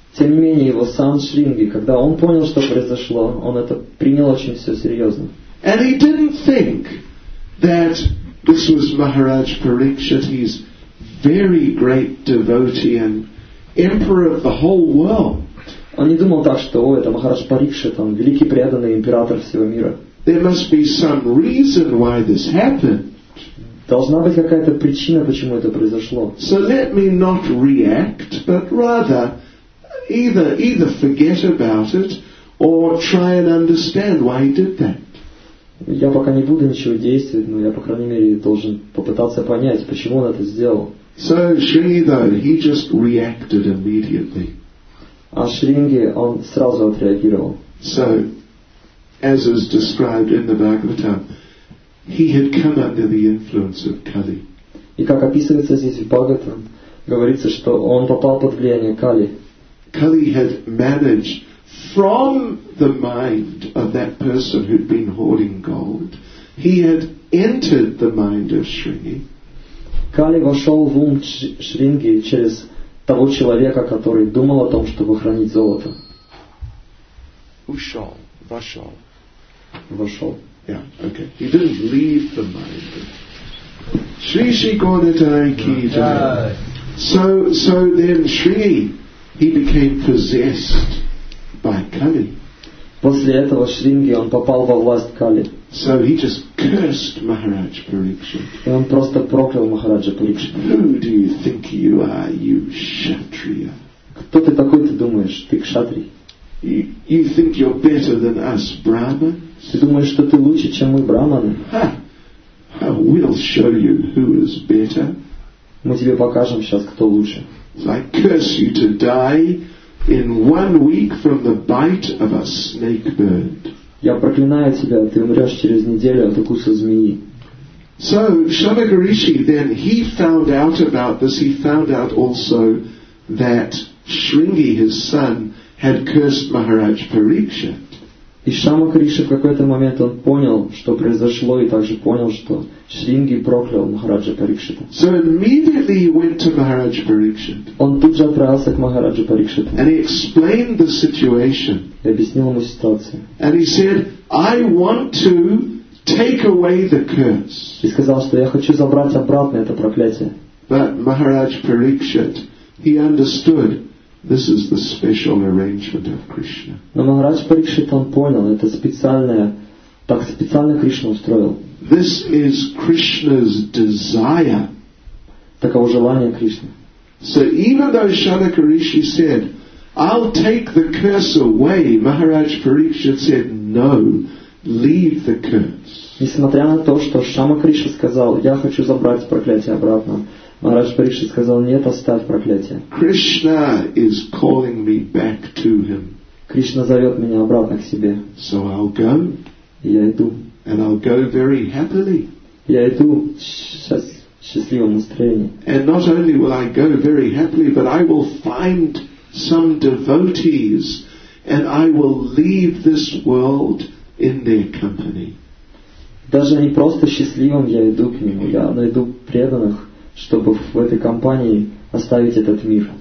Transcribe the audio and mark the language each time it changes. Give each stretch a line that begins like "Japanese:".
Russian: Тем не менее, его сам Шринги, когда он понял, что произошло, он это принял очень все серьезно.
English: And he didn't think that this was Maharaj Parikshit. He's very great devotee and emperor of the whole world.
Russian: Он не думал так, что, это Махарадж Парикша, там великий преданный император всего мира.
English: There must be some reason why this happened.
Russian: Должна быть какая-то причина, почему это произошло.
English: So let me not react, but rather either forget about it or try and understand why he did that.
Russian: Я пока не буду ничего действовать, но я, по крайней мере, должен попытаться понять, почему он это сделал.
English: So Shrinidhar, he just reacted immediately.
Russian: А Шринги, он сразу отреагировал.
English: So, as is described in the Bhagavatam, he had come under the influence of Kali.
Russian: И как описывается здесь в Бхагаватам, говорится, что он попал под влияние Кали.
English: Kali had managed from the mind of that person who'd been hoarding gold, he had entered the mind of Shringi.
Russian: Kali вошел в ум Шринги через того человека, который думал о том, чтобы хранить золото. Ушел, вошел. Вошел.
English: Yeah, okay. He didn't leave the mind. Shri Shri Gaudadai Kita. So then Shri, he became possessed by Kali.
Russian: После этого Шринги, он попал во власть Кали.
English: So he just cursed Maharaj Parikshit.
Russian: И он просто проклял Махараджа Парикшита.
English: Who do you think you are, you Kshatriya?
Russian: Кто ты такой, ты думаешь? Ты Кшатрий.
English: You think you're better than us, Brahmans?
Russian: Ты думаешь, что ты лучше, чем мы, Брахманы? Ha!
English: We'll show you who is better.
Russian: Мы тебе покажем сейчас, кто лучше.
English: I curse you to die in 1 week from the bite of a snake bird.
Russian: Я проклинаю тебя, ты умрешь через неделю от укуса змеи.
English: So Shamagarishi then he found out about this. He found out also that Shringi, his son, had cursed Maharaj Parikshit.
Russian: И Шамагариши в какой-то момент он понял, что произошло, и также понял, что Шринги проклял Махараджа Парикшита.
English: So immediately he went to Maharaj Parikshit.
Russian: Он тут же отправился к Махараджу Парикшиту.
English: And he explained the situation.
Russian: И объяснил ему ситуацию.
English: And he said, I want to take away the curse.
Russian: И сказал, что я хочу забрать обратно это проклятие.
English: But Maharaj Parikshit, he understood, this is the special arrangement of Krishna.
Russian: Но Махарадж Парикшит, он понял, это специальное, так специально Кришна устроил.
English: This is Krishna's desire.
Russian: Таково желание Кришны.
English: So even though Shanakarishi said, I'll take the curse away, Maharaj Parikshit said, no, leave the curse.
Russian: Несмотря на то, что Шамакриша сказал, я хочу забрать проклятие обратно, Махарадж Парикшит сказал, нет, оставь проклятие.
English: Krishna is calling me back to him.
Russian: Кришна зовет меня обратно к себе.
English: So I'll go.
Russian: Я иду.
English: And I'll go very happily.
Russian: Я иду сейчас в счастливом настроении.
English: And not only will I go very happily, but I will find some devotees, and I will leave this world in their company.
Russian: Даже не просто счастливым я иду к нему, я найду преданных, чтобы в этой компании оставить этот мир.